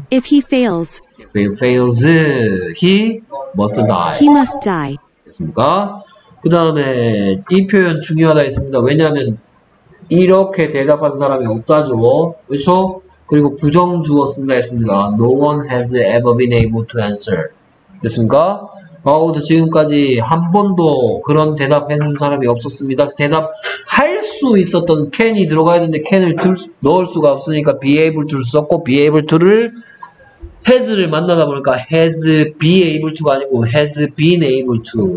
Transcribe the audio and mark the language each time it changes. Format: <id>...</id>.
<en>if he fails. If he fails, he must die. He must die.</en> <ko>됐습니까? 그 다음에 이 표현 중요하다 했습니다. 왜냐하면 이렇게 대답한 사람이 없다죠. 그렇죠? 그리고 부정 주어 쓴다 했습니다.</ko> <en>No one has ever been able to answer.</en> <ko>됐습니까? 아우도 지금까지 한 번도 그런 대답해준 사람이 없었습니다. 대답할 수 있었던 can이 들어가야 되는데 can을 넣을 수가 없으니까</ko> <en>be able to</en> <ko>를 썼고 be able to를 has를 만나다 보니까</ko> <en>has been able to</en> <ko>가 아니고 has been able to.</ko>